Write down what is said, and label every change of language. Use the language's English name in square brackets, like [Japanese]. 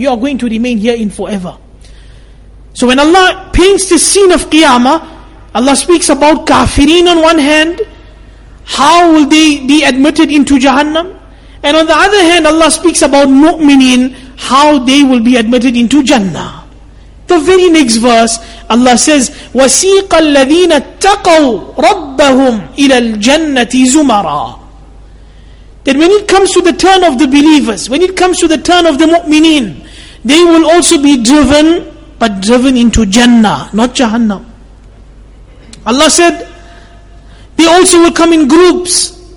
[English] You are going to remain here in forever. So when Allah paints this scene of Qiyamah, Allah speaks about kafirin on one hand. How will they be admitted into Jahannam? And on the other hand, Allah speaks about mu'minin, how they will be admitted into Jannah. The very next verse, Allah says, [Arabic] وَسِيقَ الَّذِينَ اتَّقَوْا رَبَّهُمْ إِلَى الْجَنَّةِ زُمَرًا. [English] Then when it comes to the turn of the believers, when it comes to the turn of the mu'mineen, they will also be driven, but driven into Jannah, not Jahannam. Allah said, they also will come in groups.